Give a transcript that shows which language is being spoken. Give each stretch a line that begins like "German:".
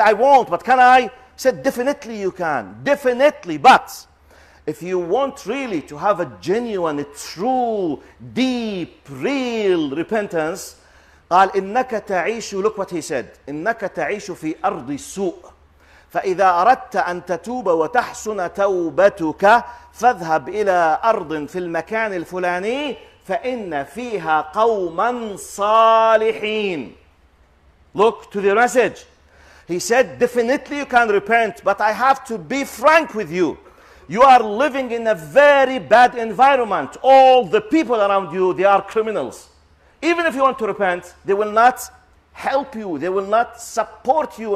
English: I won't, but can I? He said, definitely you can. Definitely, but if you want really to have a genuine, true, deep, real repentance,
Arabic: قال إنك تعيش,
English: look what he said,
Arabic: إنك تعيش في أرض سوء. فإذا أردت أن تتوب وتحسن توبتك فاذهب إلى أرض في المكان الفلاني فإن فيها قوما صالحين.
English: Look to the message. He said, definitely you can repent, but I have to be frank with you. You are living in a very bad environment. All the people around you, they are criminals. Even if you want to repent, they will not help you. They will not support you.